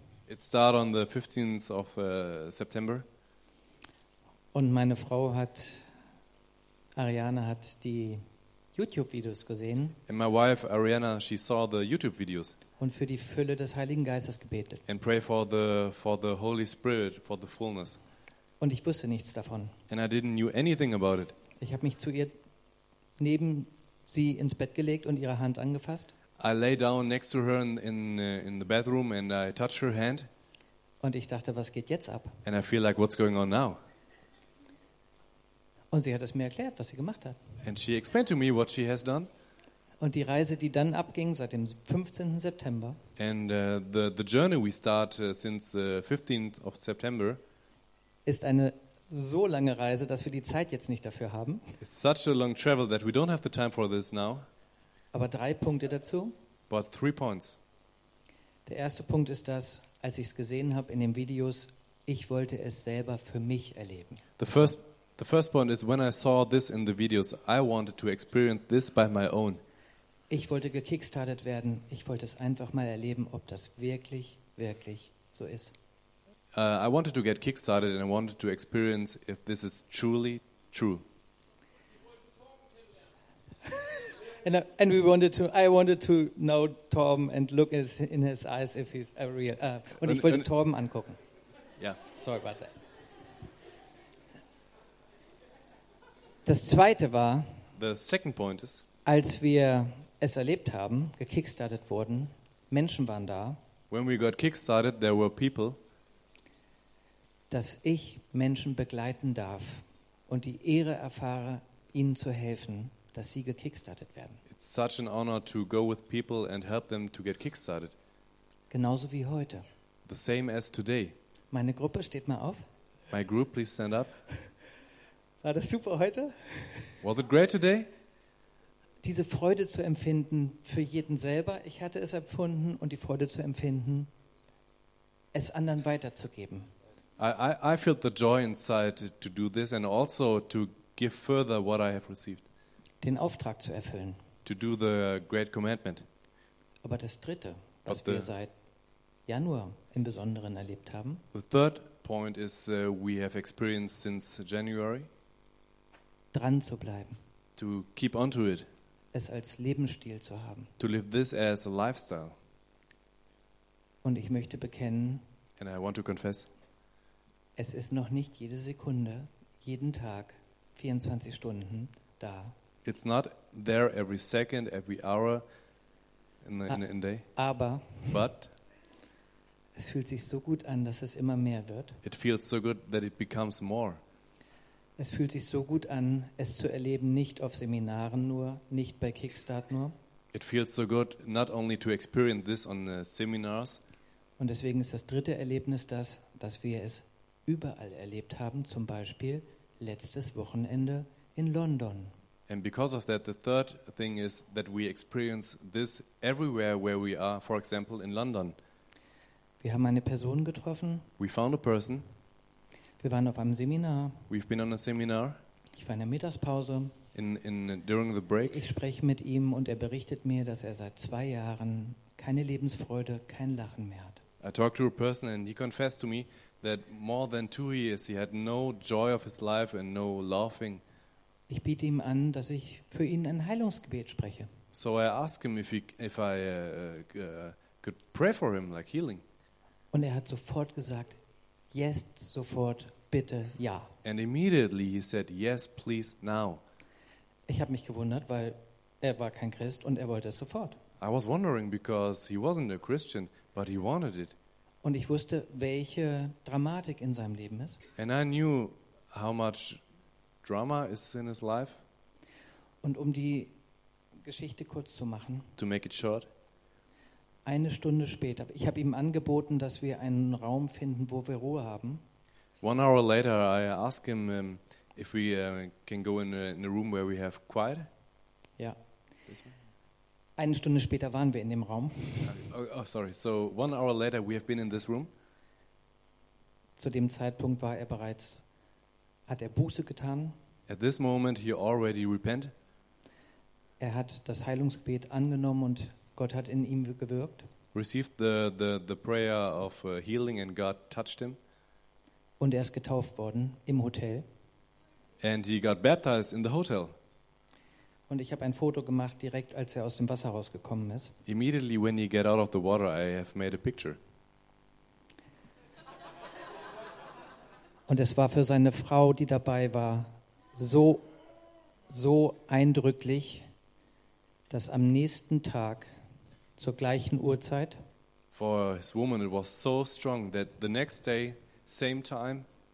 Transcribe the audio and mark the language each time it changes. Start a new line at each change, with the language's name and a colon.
English: It started on the 15th of September.
German: Und meine Frau Ariane hat die YouTube-Videos gesehen.
English: And my wife, Ariana, she saw the YouTube-Videos.
German: Und für die Fülle des Heiligen Geistes gebetet.
English: And pray for the Holy Spirit, for the fullness.
German: Und ich wusste nichts davon.
English: And I didn't knew anything about it.
German: Ich habe mich zu ihr neben sie ins Bett gelegt und ihre Hand angefasst.
English: I lay down next to her in the bathroom and I touched her hand.
German: Und ich dachte, was geht jetzt ab?
English: And I feel like what's going on now.
German: Und sie hat es mir erklärt, was sie gemacht hat.
English: And she explained to me what she has done.
German: Und die Reise, die dann abging, seit dem 15. September.
English: And the journey we start since 15th of September.
German: Ist eine so lange Reise, dass wir die Zeit jetzt nicht dafür haben.
English: It's such a long travel that we don't have the time for this now.
German: Aber 3 Punkte dazu.
English: But 3 points.
German: Der erste Punkt ist, dass, als ich es gesehen habe in den Videos, Ich wollte es selber für mich erleben.
English: The first point is when I saw this in the videos, I wanted to experience this by my own.
German: Ich wollte gekickstartet werden. Ich wollte es einfach mal erleben, ob das wirklich, wirklich so ist.
English: I wanted to get kickstarted and I wanted to experience if this is truly true. And we wanted to. I wanted to know Torben and look in his eyes if he's a real.
German: Und ich wollte Torben angucken.
English: Yeah. Sorry about that.
German: Das zweite war.
English: The second point is.
German: Als wir es erlebt haben, gekickstartet wurden, Menschen waren da.
English: When we got kickstarted, there were people.
German: Dass ich Menschen begleiten darf und die Ehre erfahre, ihnen zu helfen, dass sie gekickstartet werden.
English: It's such an honor to go with people and help them to get kickstarted.
German: Genauso wie heute.
English: The same as today.
German: Meine Gruppe, steht mal auf.
English: My group, please stand up.
German: War das super heute?
English: Was it great today?
German: Diese Freude zu empfinden für jeden selber, ich hatte es empfunden, und die Freude zu empfinden, es anderen weiterzugeben.
English: I feel the joy inside to do this and also to give further what I have received.
German: Den Auftrag zu erfüllen.
English: To do the great commandment.
German: Aber das dritte, was wir seit Januar im Besonderen erlebt haben.
English: The third point is we have experienced since January.
German: Dran zu bleiben.
English: To keep on to it.
German: Es als Lebensstil zu haben.
English: To live this as a lifestyle.
German: Und ich möchte bekennen.
English: And I want to confess.
German: Es ist noch nicht jede Sekunde, jeden Tag, 24 Stunden da.
English: It's not there every second, every hour in day.
German: Aber
English: but
German: es fühlt sich so gut an, dass es immer mehr wird.
English: It feels so good that it becomes more.
German: Es fühlt sich so gut an, es zu erleben, nicht auf Seminaren nur, nicht bei Kickstart nur.
English: It feels so good not only to experience this on seminars.
German: Und deswegen ist das dritte Erlebnis das, dass wir es überall erlebt haben, zum Beispiel letztes Wochenende in London.
English: And because of that, the third thing is that we experience this everywhere where we are, for example in London.
German: Wir haben eine Person getroffen.
English: We found a person.
German: Wir waren auf einem Seminar.
English: We've been on a seminar.
German: Ich war in der Mittagspause.
English: In during the break.
German: Ich spreche mit ihm und er berichtet mir, dass er seit 2 Jahren keine Lebensfreude, kein Lachen mehr hat.
English: I talked to a person and he confessed to me that more than 2 years he had no joy of his life and no laughing.
German: Ich biete ihm an, dass ich für ihn ein Heilungsgebet spreche.
English: So I ask him if I could pray for him like healing.
German: Und er hat sofort gesagt, yes, sofort, bitte, ja.
English: And immediately he said, yes, please, now.
German: Ich habe mich gewundert, weil er war kein Christ und er wollte es sofort.
English: I was wondering because he wasn't a Christian, but he wanted it.
German: Und ich wusste, welche Dramatik in seinem Leben ist.
English: And I knew how much drama is in his life.
German: Und um die Geschichte kurz zu machen.
English: To make it short.
German: Eine Stunde später, ich habe ihm angeboten, dass wir einen Raum finden, wo wir Ruhe haben.
English: 1 hour later I ask him if we can go in a room where we have quiet.
German: Ja. Eine Stunde später waren wir in dem Raum.
English: Oh, sorry. So 1 hour later we have been in this room.
German: Zu dem Zeitpunkt war er bereits, hat er Buße getan.
English: At this moment he already repent.
German: Er hat das Heilungsgebet angenommen und Gott hat in ihm gewirkt.
English: Received the prayer of healing and God touched him.
German: Und er ist getauft worden im Hotel.
English: And he got baptized in the hotel.
German: Und ich habe ein Foto gemacht direkt, als er aus dem Wasser rausgekommen ist.
English: Immediately when he get out of the water, I have made a picture.
German: Und es war für seine Frau, die dabei war, so, so eindrücklich, dass am nächsten Tag zur gleichen Uhrzeit
English: for his woman it was so strong that the next day same time